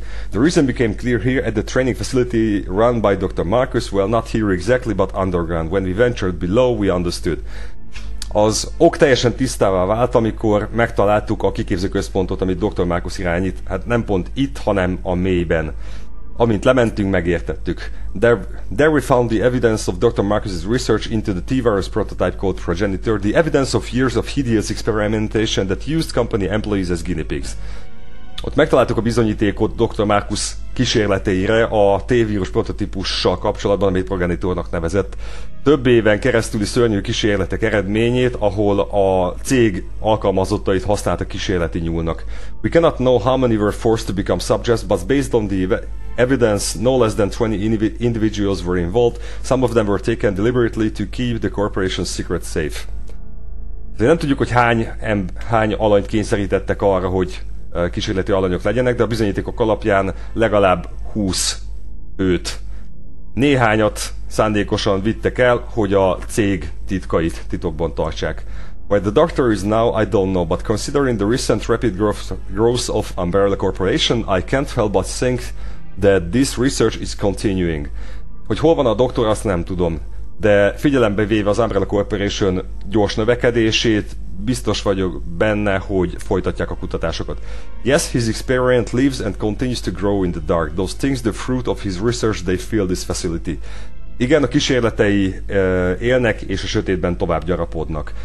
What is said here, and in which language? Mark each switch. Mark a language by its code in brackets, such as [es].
[en] The reason became clear here at the training facility run by Dr. Marcus, well, not here exactly, but underground. When we ventured below, we understood. [hu] Az ok teljesen tisztává vált, amikor megtaláltuk a kiképzőközpontot, amit Dr. Marcus irányít, hát nem pont itt, hanem a mélyben. Amint lementünk, megértettük. [en] There we found the evidence of Dr. Marcus's research into the T-virus prototype called Progenitor, the evidence of years of hideous experimentation that used company employees as guinea pigs. [hu] Ott megtaláltuk a bizonyítékot Dr. Marcus kísérleteire a T-vírus prototípussal kapcsolatban, amit Progenitornak nevezett. Több éven keresztüli szörnyű kísérletek eredményét, ahol a cég alkalmazottait használta kísérleti nyúlnak. [en] We cannot know how many were forced to become subjects, but based on the evidence, no less than 20 individuals were involved. Some of them were taken deliberately to keep the corporation's secret safe. [hu] De nem tudjuk, hogy hány alanyt kényszerítettek arra, hogy kísérleti alanyok legyenek, de a bizonyítékok alapján legalább 20 őt. Néhányat szándékosan vittek el, hogy a cég titkait titokban tartsák. [en] Where the doctor is now, I don't know, but considering the recent rapid growth of Umbrella Corporation, I can't help but think that this research is continuing. [hu] Hogy hol van a doktor, azt nem tudom. De figyelembe véve az Umbrella Corporation gyors növekedését, biztos vagyok benne, hogy folytatják a kutatásokat. [en] Yes, his experiment lives and continues to grow in the dark. Those things, the fruit of his research, they fill this facility. [hu] Igen, a kísérletei élnek, és a sötétben tovább gyarapodnak.